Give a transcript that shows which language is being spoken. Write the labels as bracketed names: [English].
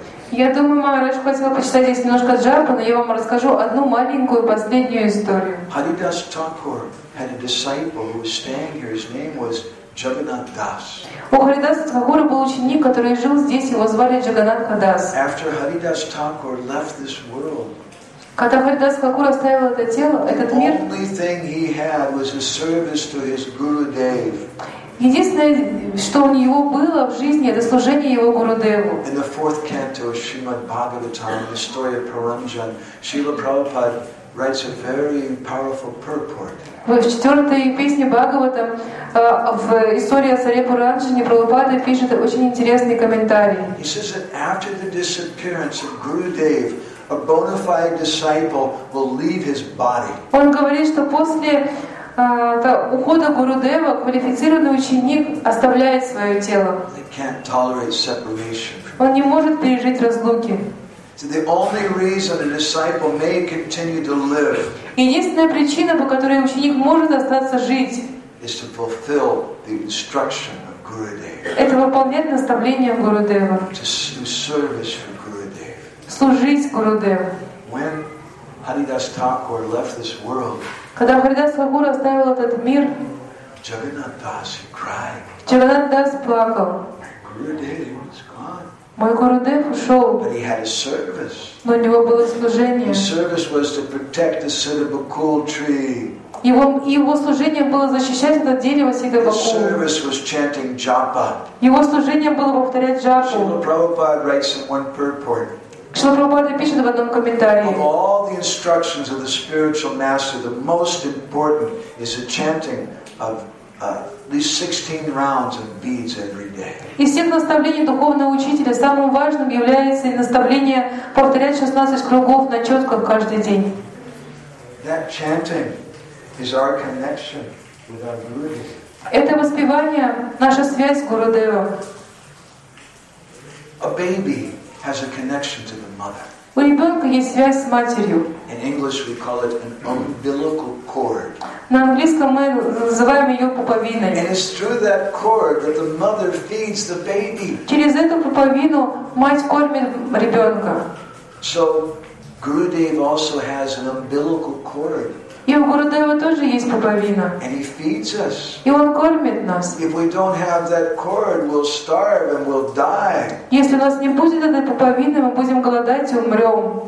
[Russian] Я думаю, Махарадж хотел почитать здесь немножко джапу, но я вам расскажу одну маленькую последнюю историю. [English] Харидас Тхакур had a disciple who was staying here. His name was Jagannath Das. [Russian] У Харидаса Тхакура был ученик, который жил здесь, его звали Джагананд Дас. [English] After Haridas Thakur left this world, [Russian] когда Харидас Тхакура оставил это тело, этот мир, [English] the only thing he had was a service to his Guru Dev. [Russian] Единственное, что у него было в жизни, это служение его Гурудеву. [English] In the fourth canto of Srimad Bhagavatam, the story of Paramjan, Srila Prabhupada writes a very powerful purport. [Russian] В четвертой песне Бхагаватам, в истории о царе Пуранджане, Прабхупада пишет очень интересный комментарий. [English] He says that after the disappearance of Gurudev, a bona fide disciple will leave his body. [Russian] Он говорит, что после ухода Гурудева квалифицированный ученик оставляет свое тело. [English] They can't tolerate separation. [Russian] Он не может пережить разлуки. [English] So the only reason a disciple may continue to live. [Russian] Единственная причина, по которой ученик может остаться жить, [English] is to fulfill the instruction of Gurudev. [Russian] Это выполнять наставление Гурудева. [English] To service for Gurudev. [Russian] Служить Гурудеву. [English] When Haridas Thakur left this world, [Russian] когда Харидас Тхакура оставил этот мир, [English] Jagannath Das cried. [Russian] Jagannath Das плакал. [English] Gurudev was gone. [Russian] Мой Гурудев ушел. [English] But he had a service. [Russian] Но у него было служение. [English] His service was to protect the Siddhabakul tree. [Russian] Его служение было защищать это дерево Сиддхабакул. [English] His service was chanting japa. [Russian] Его служение было повторять джапу. [English] Srila Prabhupada writes in one purport. [Russian] Srila Prabhupada пишет в одном комментарии. [English] Of all the instructions of the spiritual master, the most important is the chanting of at least 16 rounds of beads every day. [Russian] Из всех наставлений духовного учителя самым важным является наставление повторять 16 кругов на четках каждый день. [English] That chanting is our connection with our Guru. [Russian] Это воспевание наша связь с Гурудевом. [English] A baby has a connection to the mother. [Russian] У ребенка есть связь с матерью. [English] In English we call it an umbilical cord. [Russian] На английском мы называем ее пуповиной. [English] And it's through that cord that the mother feeds the baby. [Russian] Через эту пуповину мать кормит ребенка. [English] So Gurudev also has an umbilical cord. [Russian] И у Гурудева тоже есть пуповина. [English] And he feeds us. [Russian] И он кормит нас. [English] If we don't have that cord, we'll starve and we'll die. [Russian] Если у нас не будет этой пуповины, мы будем голодать и умрем.